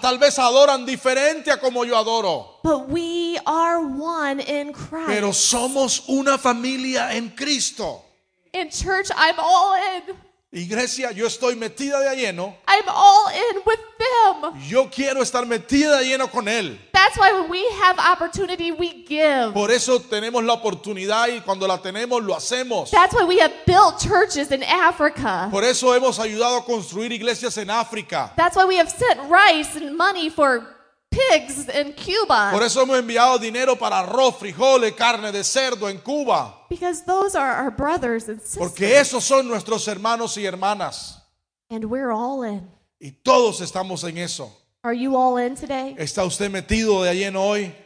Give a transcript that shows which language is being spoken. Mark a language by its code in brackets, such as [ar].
[es] Tal vez adoran diferente a como yo adoro. [en] But we are one in Christ. [es] Pero somos una familia en Cristo. [en] In church, I'm all in. [es] Iglesia, yo estoy metida de lleno. [en] I'm all in with them. [es] Yo quiero estar metida de lleno con él. [en] That's why when we have opportunity, we give. [es] Por eso tenemos la oportunidad y cuando la tenemos, lo hacemos. [en] That's why we have built churches in Africa. [es] Por eso hemos ayudado a construir iglesias en África. [en] That's why we have sent rice and money for pigs in Cuba. [es] Por eso hemos enviado dinero para arroz, frijoles, carne de cerdo en Cuba. [en] Because those are our brothers and sisters. [es] Porque esos son nuestros hermanos y hermanas. [en] And we're all in. [es] Y todos estamos en eso. [en] Are you all in today? [es] ¿Está usted metido de lleno hoy?